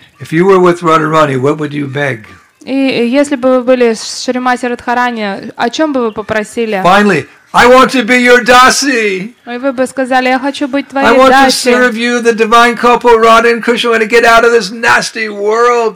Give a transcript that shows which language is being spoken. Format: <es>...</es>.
<en>If you were with Radharani, what would you beg?</en> <ru>И если бы вы были с Шримати Радхарани, о чем бы вы попросили?</ru> <en>Finally, I want to be your dasi.</en> <ru>И вы бы сказали, я хочу быть твоей</ru> <en>даси. I want</en> <ru>даси.</ru> <en>To serve you, the divine couple, Radha and Krishna, and get out of this nasty world.</en>